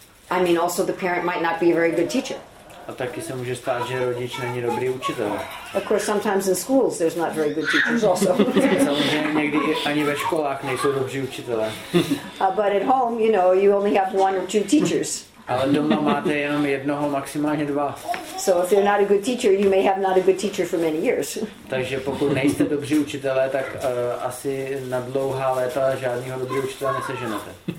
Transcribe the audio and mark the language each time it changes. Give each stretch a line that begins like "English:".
English: I mean, also the parent might not be a very good teacher.
Czech: A taky se může stát, že rodič není dobrý učitel.
English: Of course, sometimes in schools there's not very good teachers also.
Czech: Samozřejmě někdy ani ve školách nejsou dobří učitelé.
English: But at home, you know, you only have one or two teachers.
Czech: Ale doma máte jenom jednoho, maximálně dva.
English: So if you're not a good teacher, you may have not a good teacher for many years.
Czech: Takže pokud nejste dobří učitelé, tak asi na dlouhá léta žádného dobrého učitele neseženete.